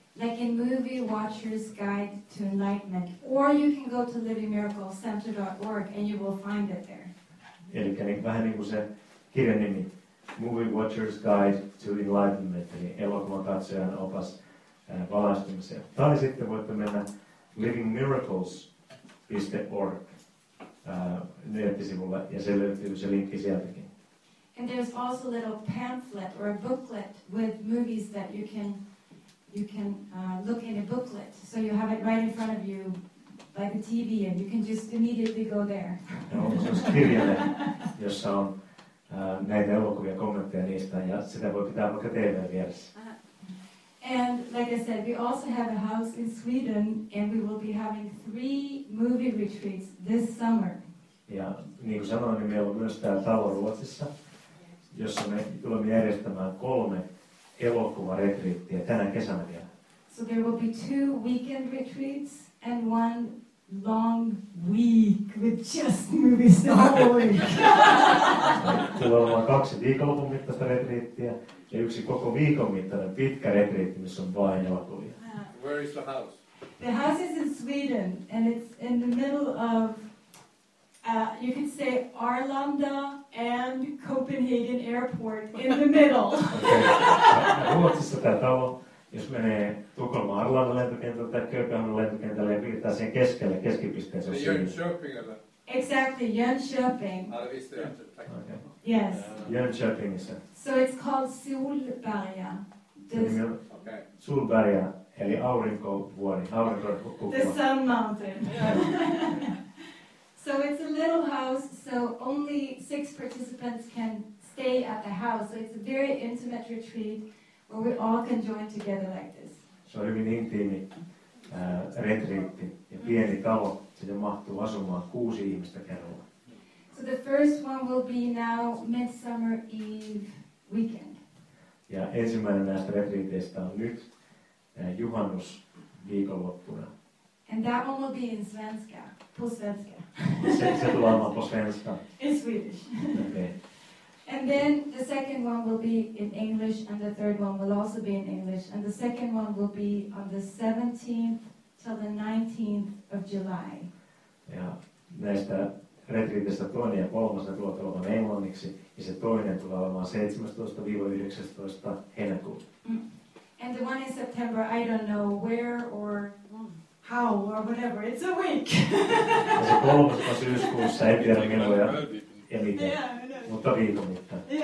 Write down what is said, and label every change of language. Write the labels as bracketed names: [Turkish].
[English] like in Movie Watcher's Guide to Enlightenment, or you can go to livingmiraclescenter.org and you will find it there. [Finnish] Eli vähän niin kuin se kirjan nimi, Movie Watcher's Guide to Enlightenment, eli elokuvakatsojan opas valaistumiseen. Tai sitten voitte mennä livingmiracles.org nettisivulle, ja se löytyy se linkki sieltäkin. [English] And there's also a little pamphlet or a booklet with movies that you can look in a booklet. So you have it right in front of you by the TV and you can just immediately go there. [Finnish] Kirjalle, jossa on näitä elokuvia, kommentteja niistä, ja sitä voi pitää vaikka TV:n vieressä. [English] And like I said, we also have a house in Sweden and we will be having 3 movie retreats this summer. [Finnish] Ja niin kuin sanoin, niin meillä on myös tämä talo Ruotsissa, jossa me tulemme järjestämään 3 elokuvaretriittiä tänä kesänä vielä. [English] So there will be 2 weekend retreats and 1 long week with just movies the whole week. [Finnish] Tulee olemaan 2 viikonlopun mittaista retriittiä ja 1 koko viikon mittainen pitkä retriitti, missä on vain elokuvia. [English] Where is the house? The house is in Sweden and it's in the middle of you can say Arlanda and Copenhagen Airport in the middle. [Finnish] Ruotsissa tämä talo, jos menee Tukholman Arlanda lentokentälle tai Kööpenhaminan lentokentälle, ja virittää siihen keskelle, keskipisteen. [English] So Jönköping, or? Exactly, Jönköping. Okay. Yes. Jönköping is. So it's called Solberga. [Finnish] Solberga, eli aurinkovuori, aurinkokuppa. [English] The sun mountain. So it's a little house, so only 6 participants can stay at the house. So it's a very intimate retreat where we all can join together like this. [Finnish] Se on hyvin intiimi retriitti ja pieni talo, sinne mahtuu asumaan 6 ihmistä kerralla. [English] So the first one will be now Midsummer Eve weekend. [Finnish] Ja ensimmäinen näistä retriiteistä on nyt juhannus viikonloppuna. [English] And that one will be in Svenska, [Swedish] på svenska. [Finnish] Se tulee olemaan [Swedish] på svenska. [English] In Swedish. Okay. And then the second one will be in English and the third one will also be in English. And the second one will be on the 17th till the 19th of July. [Finnish] Ja näistä retriiteistä toinen ja kolmas tulee olemaan englanniksi ja se toinen tulee olemaan 17-19 heinäkuuta. Mm. [English] And the one in September, I don't know where or how or whatever, it's a week. [Finnish] Se kolmas on syyskuussa, en tiedä milloin ja miten, mutta viikon mittaan.